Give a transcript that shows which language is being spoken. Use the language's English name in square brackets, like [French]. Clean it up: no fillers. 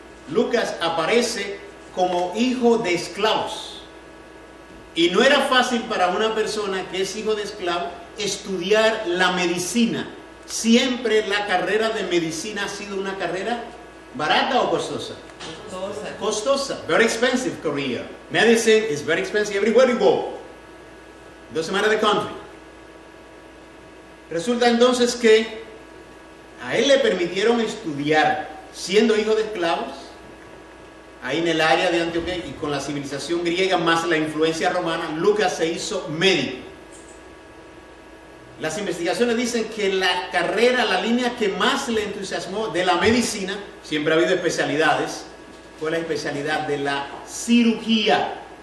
[Spanish] Lucas aparece como hijo de esclavos. Y no era fácil para una persona que es hijo de esclavo estudiar la medicina. Siempre la carrera de medicina ha sido una carrera barata o costosa. Costosa. [English] Costosa. Very expensive career. Medicine is very expensive everywhere you go. Doesn't matter the country. [Spanish] Resulta entonces que a él le permitieron estudiar, siendo hijo de esclavos, ahí en el área de Antioquía y con la civilización griega más la influencia romana, Lucas se hizo médico. Las investigaciones dicen que la carrera, la línea que más le entusiasmó de la medicina, siempre ha habido especialidades, fue la especialidad de la cirugía.